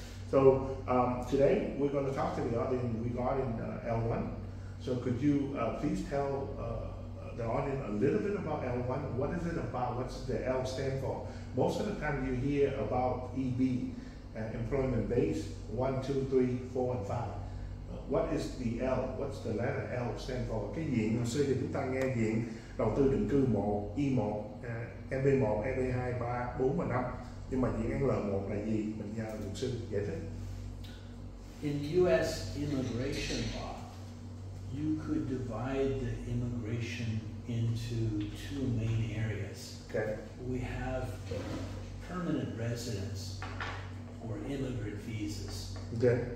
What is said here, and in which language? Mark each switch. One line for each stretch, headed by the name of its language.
English: So today we're going to talk to the audience regarding L1. So could you please tell the audience a little bit about L1? What is it about? What's the L stand for? Most of the time you hear about EB, employment base, 1, 2, 3, 4, and 5. What is the L? What's the letter L stand for?
Vietnamese: Cái diện, hồi xưa thì chúng ta nghe diện đầu tư định cư 1, E1, EB1, EB2, 3, 4 và 5. Nhưng mà diện L1 là gì? Mình nhờ luật sư giải thích.
English: In US immigration law, you could divide the immigration into two main areas. Okay. We have permanent residence or immigrant visas. Okay.